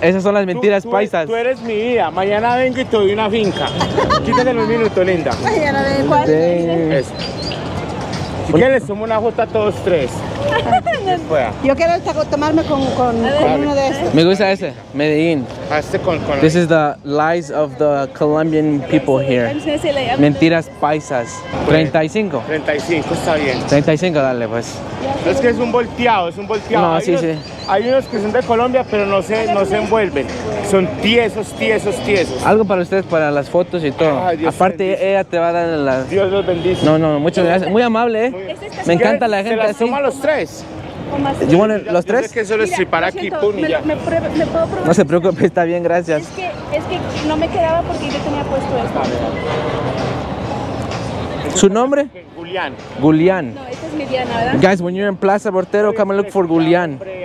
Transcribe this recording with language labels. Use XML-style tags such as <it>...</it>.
<es>Esas son las mentiras paisas. Tú eres mi vida, mañana vengo y te doy una finca. Quítale un minuto, linda. Mañana vengo, ¿cuál? Eso. Si quieres, les tomo una foto a todos tres. Yo quiero tomarme con uno de estos. Me gusta ese, Medellín.</es> <en>This is the lies of the Colombian people here.</en> <es>Mentiras paisas. 35. 35, está bien. 35, dale pues. Es que es un volteado. No, sí, sí. Hay unos que son de Colombia, pero no se envuelven. Son tiesos. Algo para ustedes, para las fotos y todo. Ay, aparte, ella te va a dar las... Dios los bendice. No, muchas gracias. Muy amable, ¿eh? Me encanta la gente. ¿Se las toma los tres? ¿Yo</es> <en>want</en> <es>los tres? Es que solo estripar aquí, pum, y ya. ¿Me puedo probar? No se preocupe, está bien, gracias. Es que no me quedaba porque yo tenía puesto esto. ¿Su nombre? Julián. No, esta es mi Diana, ¿verdad?</es> <en>Guys, when you're in Plaza Portero, come and look for Julián.</en>